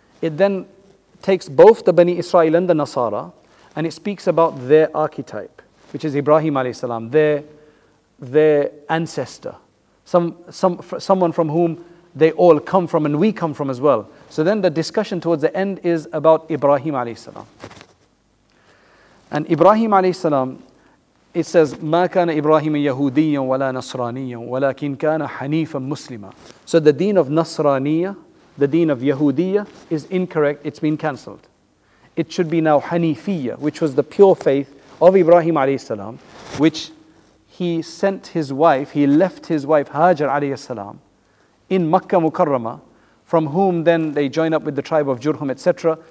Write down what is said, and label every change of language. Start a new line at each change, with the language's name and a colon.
English: It then takes both the Bani Israel and the Nasara, and it speaks about their archetype. which is Ibrahim alayhi salam, their ancestor, someone from whom they all come from and we come from as well. So then the discussion towards the end is about Ibrahim alayhi salam. And Ibrahim alayhi salam, it says,
Arabic: ما كان إبراهيم يهوديا ولا نصرانيا ولكن كان حنيفا مسلما.
English: So the deen of Nasraniya, the deen of Yahudiya, is incorrect. It's been cancelled. It should be now Hanifiyya, which was the pure faith of Ibrahim alayhi salam, which he sent his wife, he left his wife Hajar alayhi salam in Makkah Mukarramah, from whom then they join up with the tribe of Jurhum, etc.